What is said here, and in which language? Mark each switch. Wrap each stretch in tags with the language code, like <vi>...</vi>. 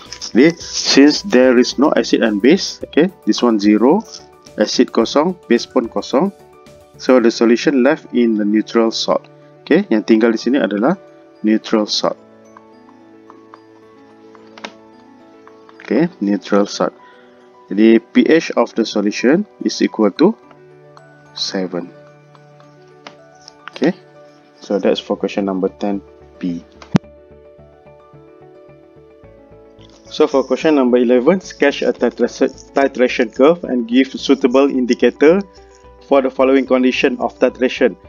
<ms>Jadi</ms> <en>since there is no acid and base, okay, this one 0, acid</en> <ms>kosong,</ms> <en>base</en> <ms>pun kosong.</ms> <en>So the solution left in the neutral salt.</en> <ms>Okay, yang tinggal di sini adalah neutral salt.</ms> <en>Okay, neutral salt.</en> <ms>Jadi</ms> <en>pH of the solution is equal to 7. Okay, so that's for question number 10B. So for question number 11, sketch a titration curve and give suitable indicator for the following condition of titration.</en>